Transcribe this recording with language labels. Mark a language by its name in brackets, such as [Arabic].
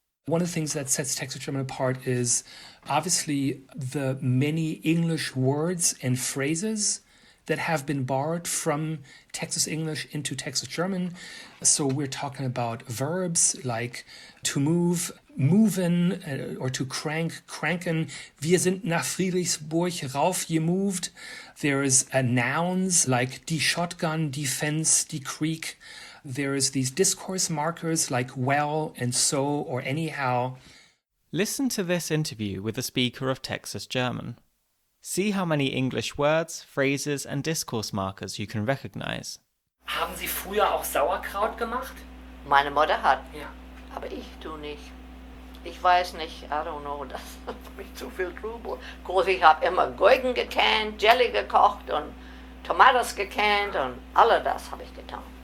[English] One of the things that sets Texas German apart is obviously the many English words and phrases that have been borrowed from Texas English into Texas German. So we're talking about verbs like to move, moven, or to crank, cranken. [German] Wir sind nach Friedrichsburg raufgemoved. [English] There is nouns like die Shotgun, die Fence, die Creek. There is these discourse markers like well and so or anyhow. Listen to this interview with a speaker of Texas German. See how many English words, phrases and discourse markers you can recognize. [German] Haben Sie früher auch Sauerkraut gemacht? Meine Mutter hat. Ja. Aber ich tu nicht. Ich weiß nicht, [English] I don't know, [German] das ist für mich zu viel Trubel. Groß, ich habe immer Gurken gekannt, Jelly gekocht und Tomatoes gekannt und alle das habe ich getan.